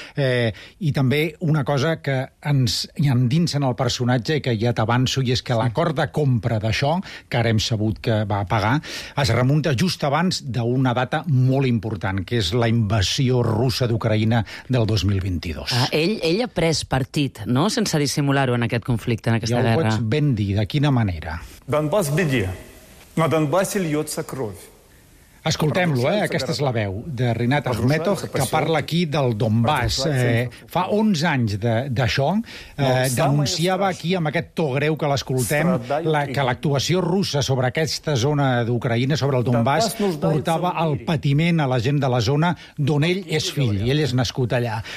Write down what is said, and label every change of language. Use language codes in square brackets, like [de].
[ca] I també una cosa que ens endinsen el personatge i que ja t'avanço, i és que l'acord de compra d'això, que ara hem sabut que va pagar, es remunta just abans d'una data molt important, que és la invasió russa d'Ucraïna del 2022. Ell ha pres partit, no?, sense dissimular-ho en aquest conflicte, en aquesta guerra. Ja ho guerra. Pots ben dir, de quina manera? [ru] Донбасс беде. На Донбассе льется кровь. [ca] Escoltem-lo, aquesta és la veu de Rinat Akhmetov, que parla aquí del Donbass. Fa 11 anys d'això, denunciava aquí, amb aquest to greu que l'escoltem, que l'actuació russa sobre aquesta zona d'Ucraïna, sobre el Donbass, portava el patiment a la gent de la zona d'on ell és fill, i ell és nascut allà.